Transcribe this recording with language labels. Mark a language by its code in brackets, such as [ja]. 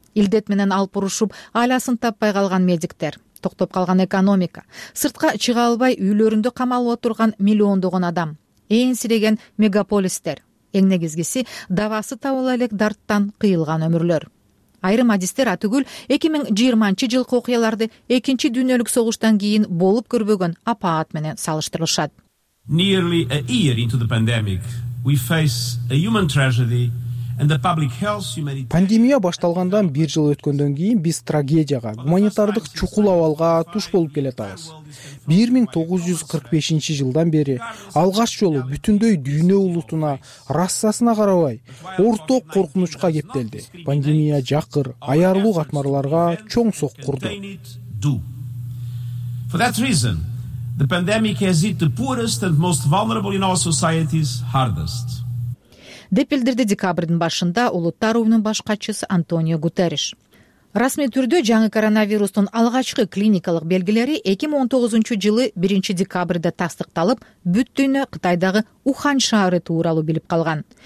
[ky] Илдет менен алып урушуп, айласын таппай калган медиктер, токтоп калган экономика, сыртка чыга албай үйлөрүндө камалып отурган миллиондогон адам, эңсиреген мегаполистер, эң негизгиси давасы табыла элек дарттан кыйылган өмүрлөр. Айрым адистер атүгүл 2020 жылкы окуяларды экинчи дүйнөлүк согуштан кийин болуп көрбөгөн апаат менен салыштырышат. [en] Nearly a year into the pandemic, we face a human tragedy and the public health humanity. [ky] Пандемия башталгандан бир жыл өткөндөн кийин биз трагедияга, гуманитардык чукул абалга туш болуп келатабыз. 1945 жылдан бери алгач жолу бүтүндөй дүйнө улутуна, расасына карабай, орток коркунучка кептелди. Пандемия жакыр, аярлуу катмарларга чоң соккурду. [en] For that reason, the pandemic has hit the poorest and most vulnerable in our societies hardest. [ky] Деп билдирди декабрдын башында Улуттар уюмунун баш катчысы Антонио Гутериш. Расмий түрдө жаңы коронавирустун алгачкы клиникалык белгилери 2019 жылы 1 декабрда тастыкталып, бүт дүйнө Кытайдагы Ухань шаары тууралуу билип калган.